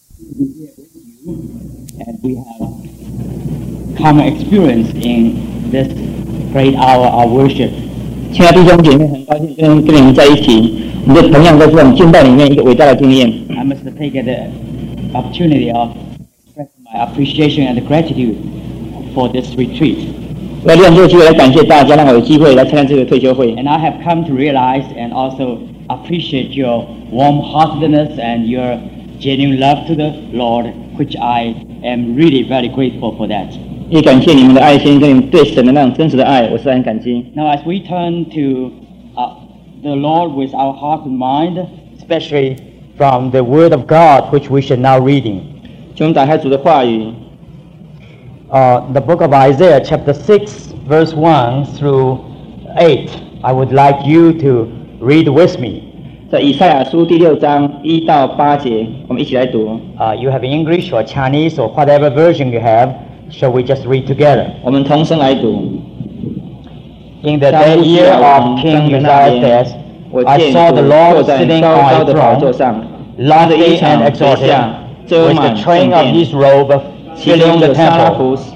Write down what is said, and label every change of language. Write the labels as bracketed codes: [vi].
[en] And we have common experience in this great hour of worship. [zh] 亲爱的弟兄姐妹，很高兴跟你们在一起。我们这同样都是我们敬拜里面一个伟大的经验。 [en] I must take the opportunity of expressing my appreciation and gratitude for this retreat. [zh] 我利用这个机会来感谢大家，让我有机会来参加这个退休会。 [en] And I have come to realize and also appreciate your warm-heartedness and your genuine love to the Lord, which I am really very grateful for that. [zh] 也感谢你们的爱心跟对神的那种真实的爱，我是很感激。 [en] Now as we turn to the Lord with our heart and mind, especially from the Word of God which we should now reading, [zh] 请打开主的话语。 [en] The book of Isaiah chapter 6 verse 1 through 8, I would like you to read with me. [zh] 在以赛亚书第六章一到八节，我们一起来读。 [en] You have English or Chinese or whatever version you have. Shall we just read together? [zh] 我们同声来读。 [en] In the that year of King Uzziah, I saw the Lord sitting on a throne, lofty and exalted, with the train of his robe filling the temple.